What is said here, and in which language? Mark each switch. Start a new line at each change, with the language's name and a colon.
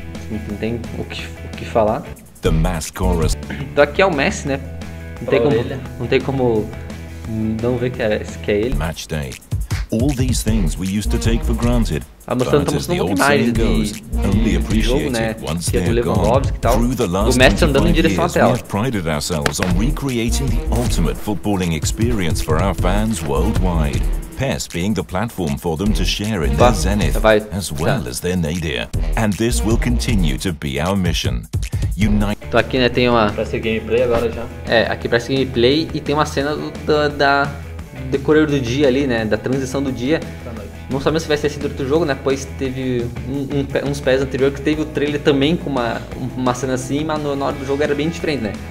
Portuguese: Não tem o que falar.
English: The Mask Chorus.
Portuguese: Então aqui é o Messi, né? Não tem como não ver que é ele.
English: Match Day. All these things we used to take for granted.
Portuguese: Ah, mas estamos mostrando uma imagem de jogo, né? Que é do Lewandowski e tal. O Messi andando em direção à tela.
English: Prided ourselves on recreating the ultimate footballing experience for our fans worldwide. PES being the platform for them to share in their zenith as well as their nadir. And this will continue to be our mission.
Portuguese: Unite. Então aqui, né, tem uma... parece gameplay agora já. É, aqui parece gameplay e tem uma cena da decorrer do dia ali, né, da transição do dia. Não sabemos se vai ser assim durante o jogo, né, pois teve uns pés anteriores que teve o trailer também com uma cena assim, mas na hora do jogo era bem diferente, né.